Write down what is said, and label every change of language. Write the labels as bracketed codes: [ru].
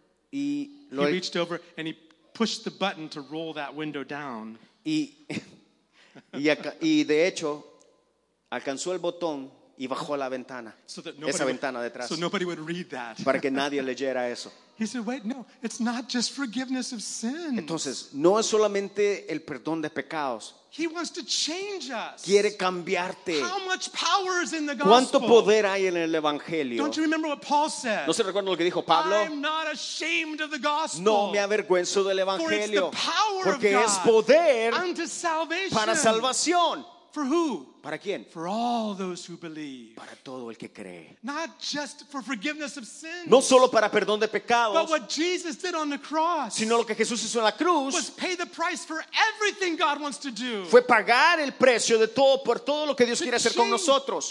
[en] He reached over and he pushed the button to roll that window down. [es] Y de hecho alcanzó el botón y bajó la ventana, [en] so that nobody, [es] esa ventana detrás, [en] so nobody would read that. [es] Para que nadie leyera eso. [en] He said, "Wait, no, it's not just forgiveness of sins." [es] Entonces, no es solamente el perdón de pecados. [en] He wants to change us. [es] Quiere cambiarte. [en] How much power is in the gospel? [es] ¿Cuánto poder hay en el evangelio? [en] Don't you remember what Paul said? [es] ¿No se recuerda lo que dijo Pablo? [en] I'm not ashamed of the gospel. [es] No me avergüenzo del evangelio. [en] For it's the power of God. [es] Porque es poder [en] unto salvation. [es] Para salvación. [en] For who? [es] ¿Para quién? [en] For all those who believe. [es] Para todo el que cree. [en] Not just for forgiveness of sins. [es] No solo para perdón de pecados. [en] But what Jesus did on the cross. [es] Sino lo que Jesús hizo en la cruz. [en] Was pay the price for everything God wants to do. [es] Fue pagar el precio de todo por todo lo que Dios quiere hacer con nosotros.